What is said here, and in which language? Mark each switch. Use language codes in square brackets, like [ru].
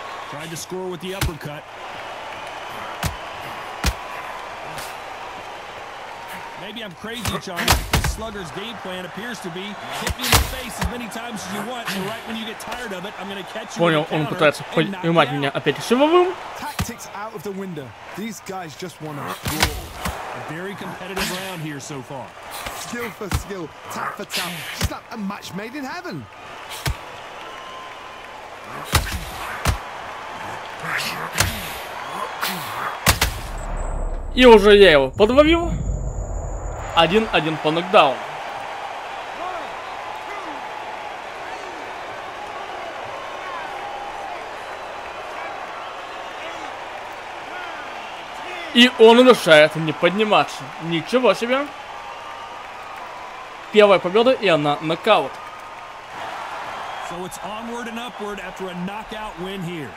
[en] Tried to score with the uppercut. Maybe I'm crazy, Charlie. This slugger's game plan appears to be hit me in the face as many times as you want, and right when you get tired of it, I'm gonna catch you. [ru] Понял, он пытается поймать меня опять силовым. [en] Tactics out of the window. These guys just want to score. A very competitive round here so far. Skill for skill, tap for tap. Just like a match made in heaven. [ru] И уже я его подловил. 1-1 по нокдаун. И он решает не подниматься. Ничего себе. Первая победа, и она нокаут. [en] So it's onward and upward after a knockout win here.